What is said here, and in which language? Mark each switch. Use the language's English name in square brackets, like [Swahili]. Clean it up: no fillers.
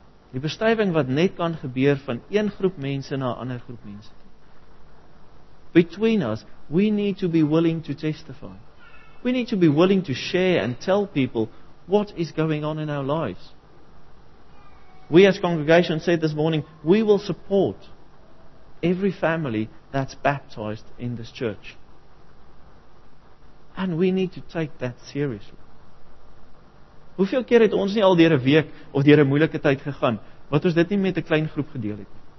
[Afrikaans] Die bestuiving wat net kan gebeur van een groep mense na ander groep mense. [English] Between us, we need to be willing to testify. We need to be willing to share and tell people what is going on in our lives. We as congregation said this morning, we will support every family that's baptized in this church. And we need to take that seriously. [Afrikaans] Hoeveel keer het ons nie al deur 'n week of deur 'n moeilike tyd gegaan, wat ons dit nie met 'n klein groep gedeel het?